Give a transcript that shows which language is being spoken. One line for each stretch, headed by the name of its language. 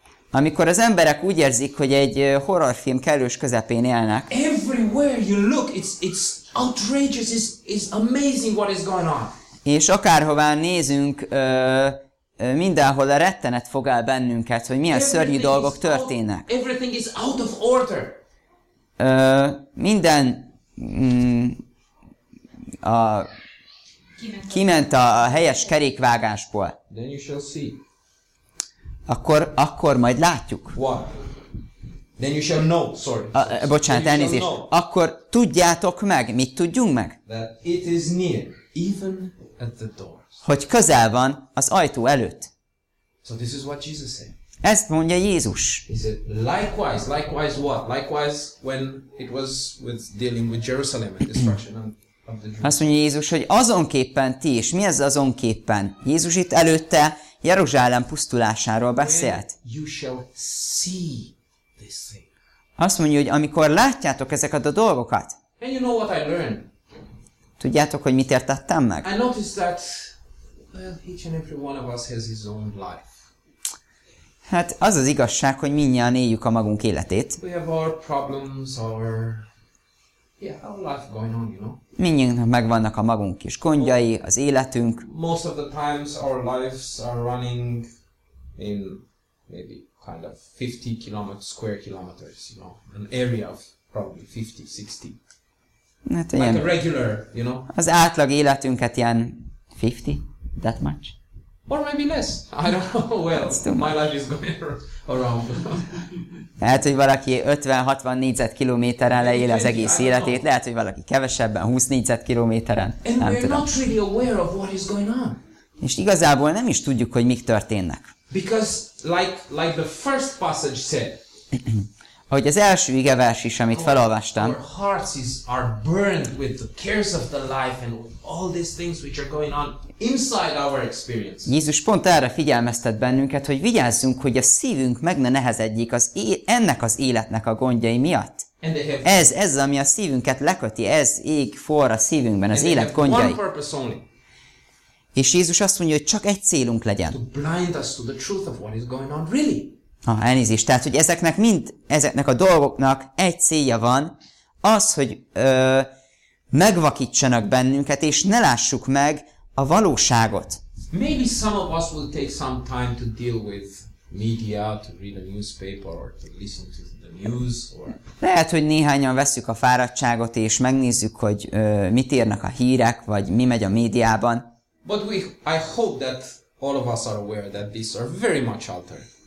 Hungarian: Amikor az emberek úgy érzik, hogy egy horrorfilm kellős közepén élnek.
English: Everywhere you look, it's outrageous, it's amazing what is going on.
Hungarian: És akárhová nézünk, mindenhol a rettenet fog el bennünket, hogy milyen szörnyű dolgok történnek.
English: Everything is out of order.
Hungarian: Minden kiment a helyes kerékvágásból.
English: Then you shall see.
Hungarian: Akkor majd látjuk.
English: What? Then you shall know. Sorry.
Hungarian: Bocsánat, elnézést. Akkor tudjátok meg, mit tudjunk meg?
English: That it is near, even at the doors.
Hungarian: Hogy közel van az ajtó előtt.
English: So this is what Jesus said.
Hungarian: Ezt mondja Jézus.
English: Likewise what? Likewise when it was with dealing with Jerusalem and destruction of the Jews.
Hungarian: Azt mondja Jézus, hogy azonképpen ti is. Mi ez azonképpen? Jézus itt előtte Jeruzsálem pusztulásáról beszélt.
English: When you shall see this thing.
Hungarian: Azt mondja, hogy amikor látjátok ezeket a dolgokat.
English: And you know what I learned?
Hungarian: Tudjátok, hogy mit értettem meg?
English: I noticed that each and every one of us has his own life.
Hungarian: Hát az az igazság, hogy mindnyian éljük a magunk életét.
English: We have our problems, our life going on, you know.
Hungarian: Mindjárt megvannak a magunk kis gondjai, az életünk.
English: Most of the times our lives are running in maybe kind of 50 kilometers, square kilometers, you know, an area of probably 50, 60.
Hungarian: Hát
English: like a regular, you know.
Hungarian: Az átlag életünket ilyen 50,
English: that much. Or maybe less. I don't know. Well, my life is going around.
Hungarian: Lehet, hogy valaki 50-60 négyzetkilométeren leél az egész életét. Lehet, hogy valaki kevesebben, 20 négyzetkilométeren.
English: And we're not really aware of what is going on.
Hungarian: És igazából nem is tudjuk, hogy mik történnek.
English: Because like the first passage said.
Hungarian: Ahogy az első igevers is, amit felolvastam.
English: Our hearts are burned with the cares of the life and with all these things which are going on inside our experience.
Hungarian: Jézus pont erre figyelmeztet bennünket, hogy vigyázzunk, hogy a szívünk meg ne nehezedjék az ennek az életnek a gondjai miatt. Ez ami a szívünket leköti, ez ég forr a szívünkben, az élet gondjai. És Jézus azt mondja, hogy csak egy célunk legyen.
English: To blind us to the truth of what is going on really.
Hungarian: Elnézést, tehát, hogy ezeknek mind, ezeknek a dolgoknak egy célja van, az, hogy megvakítsanak bennünket, és ne lássuk meg a valóságot.
English: Maybe some of us will take some time to deal with media, to read a newspaper, or to listen to the news.
Hungarian: Lehet, hogy néhányan veszük a fáradtságot, és megnézzük, hogy mit írnak a hírek, vagy mi megy a médiában.
English: But I hope that all of us are aware that these are very much altered.